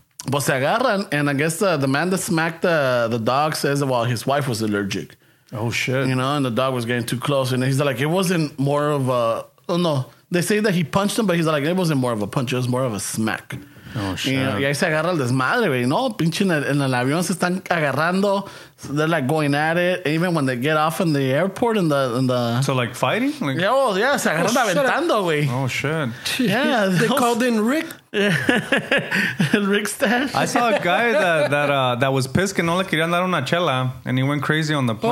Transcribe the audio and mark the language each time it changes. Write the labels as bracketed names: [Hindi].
[English] But [Spanish] se agarran, [English] and I guess the man that smacked the dog says, well, his wife was allergic. Oh shit. You know, and the dog was getting too close, and he's like, it wasn't more of a, oh no, they say that he punched him, but he's like, it wasn't more of a punch, it was more of a smack. Oh shit. [Spanish] Y ahí se agarra el desmadre, güey. No, pinche en el avión se están agarrando. [English] So they're like going at it. Even when they get off in the airport in the so like fighting? Like, yeah, oh yeah, [Spanish] se agarran aventando, güey. [English] Oh shit. Yeah. They called in Rick. Rick Stash. I saw a guy that was pissed [Spanish] que no le querían dar una chela [English] and he went crazy on the plane.